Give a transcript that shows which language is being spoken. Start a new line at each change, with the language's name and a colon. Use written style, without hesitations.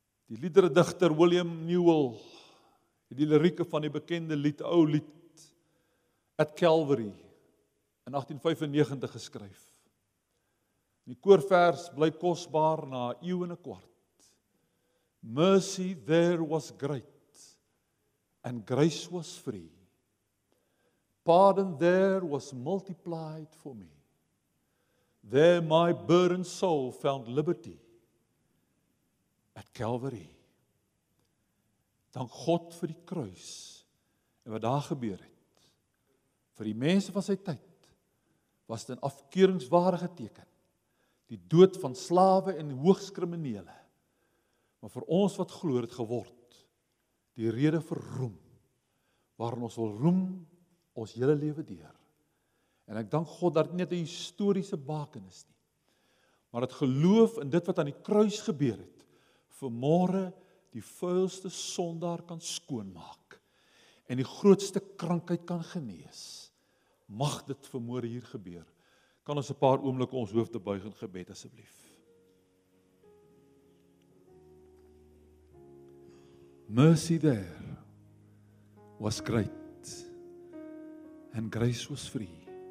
Afrikaans: Die liederdichter William Newell, die lirieke van die bekende lied, ou lied, At Calvary, in 1895 geskryf. Die koorvers bly kostbaar na eeuw en een kwart.
English: Mercy there was great, and grace was free. Pardon there was multiplied for me. There my burdened soul found liberty at Calvary.
Afrikaans: Dank God vir die kruis en wat daar gebeur het. Vir die mense van sy tyd was dit 'n afkeuringswaardige teken, die dood van slawe en hoogskriminele. Maar vir ons wat glo het geword, die rede vir roem, waarin ons wil roem ons hele lewe deur. En ek dank God dat dit net 'n historiese baken is nie. Maar het geloof in dit wat aan die kruis gebeur het, vanmôre die vuilste sondaar kan skoonmaak en die grootste krankheid kan genees. Mag dit vanmôre hier gebeur. Kan ons 'n paar oomblikke ons hoofde buig in gebed asseblief.
English: Mercy there was great and grace was free.